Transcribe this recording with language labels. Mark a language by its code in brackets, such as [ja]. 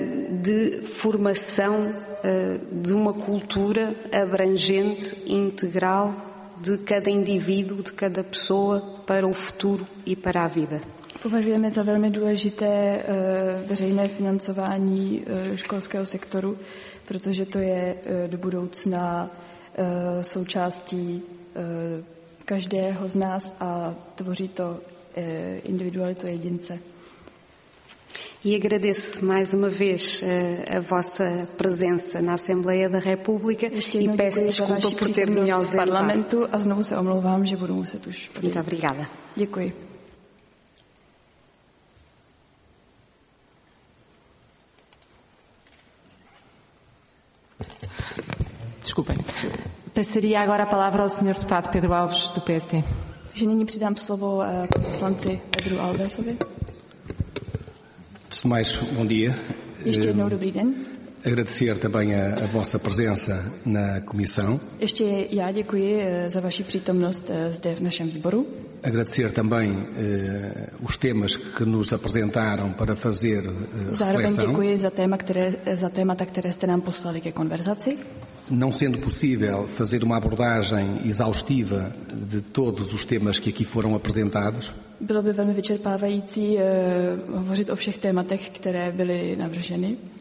[pt] de formação de uma cultura abrangente, integral, de cada indivíduo, de cada pessoa para o futuro e para a vida. [cs] Považujeme za velmi důležité veřejné financování školského sektoru, protože to je do budoucna součástí každého z nás a tvoří to individualitu jedince. [pt] E agradeço mais uma vez a vossa presença na Assembleia da República e peço desculpa por ter me ausentado. [cs] Parlamentu a znovu se omlouvám, že budu muset už. [pt] Muito obrigada. [cs] Děkuji. [pt] Desculpem. Passaria agora a palavra ao senhor deputado Pedro Alves do PSD. [cs] Že nyní přidám slovo poslanci Pedro Alvesovi. [pt] Mais bom dia. [cs] Ještě jednou dobrý den. [pt] Agradecer também a vossa presença na comissão. [cs] Ještě já děkuji za vaši přítomnost zde v našem výboru. [pt] Agradecer também os temas que nos apresentaram para fazer [cs] zároveň [pt] reflexão. [cs] Děkuji za témata, které jste nám poslali ke konverzaci. [pt] Não sendo possível fazer uma abordagem exaustiva de todos os temas que aqui foram apresentados. [cs] Bylo by velmi vyčerpávající hovořit o všech tématech, které byly navrženy.